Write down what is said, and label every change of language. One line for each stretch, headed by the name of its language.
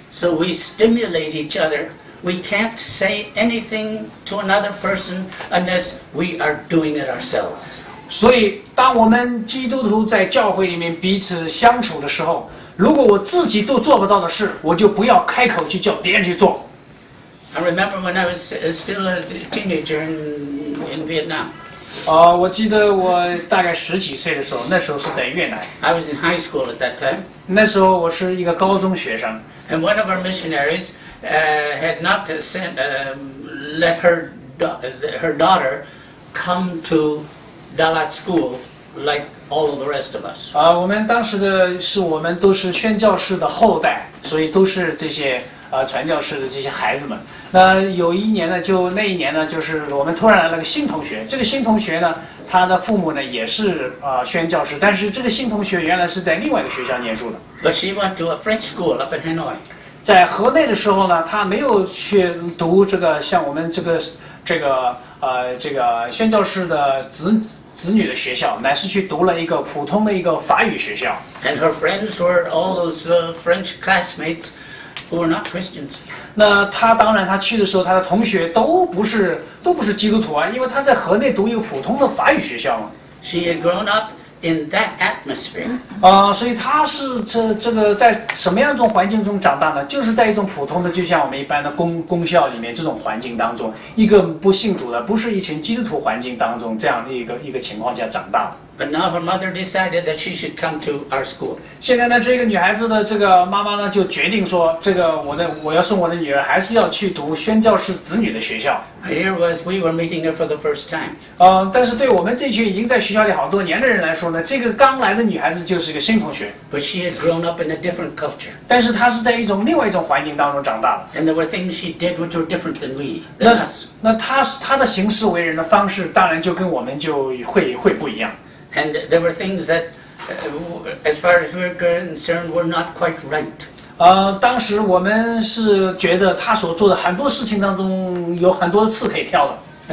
English: So we stimulate each other. We can't say anything to another person unless we are doing it ourselves.
Chinese: 所以当我们基督徒在教会里面彼此相处的时候，如果我自己都做不到的事，我就不要开口去叫别人去做。
English: I remember when I was still a teenager in Vietnam.
Chinese: 我记得我大概十几岁的时候，那时候是在越南。
English: I was in high school at that time.
Chinese: 那时候我是一个高中学生。
English: And one of our missionaries had not sent let her her daughter come to Dalat school like all of the rest of us.
Chinese: 我们当时的是我们都是宣教士的后代，所以都是这些传教士的这些孩子们。那有一年呢，就那一年呢，就是我们突然来了个新同学。这个新同学呢，他的父母呢也是宣教士，但是这个新同学原来是在另外一个学校念书的。
English: But she went to a French school up in Hanoi.
Chinese: 在河内的时候呢，他没有去读这个像我们这个宣教士的子女的学校，乃是去读了一个普通的一个法语学校。
English: And her friends were all those French classmates who were not Christians.
Chinese: 那他当然他去的时候，他的同学都不是基督徒啊，因为他在河内读一个普通的法语学校嘛。
English: She had grown up. In that atmosphere,
Chinese: 所以他是这个在什么样一种环境中长大呢？就是在一种普通的，就像我们一般的公校里面这种环境当中，一个不信主的，不是一群基督徒环境当中这样的一个情况下长大的。
English: But now her mother decided that she should come to our school.
Chinese: 现在呢，这个女孩子的这个妈妈呢，就决定说，这个我要送我的女儿，还是要去读宣教士子女的学校。
English: Here was we were meeting her for the first time.
Chinese: 但是对我们这群已经在学校里好多年的人来说呢，这个刚来的女孩子就是一个新同学。
English: But she had grown up in a different culture.
Chinese: 但是她是在另外一种环境当中长大的。
English: And there were things she did which were different than we. Than us.
Chinese: 那她的行事为人的方式，当然就跟我们就会不一样。
English: And there were things that, as far as we were concerned, were not quite right.
Chinese: 当时我们是觉得他所做的很多事情当中有很多刺可以挑的。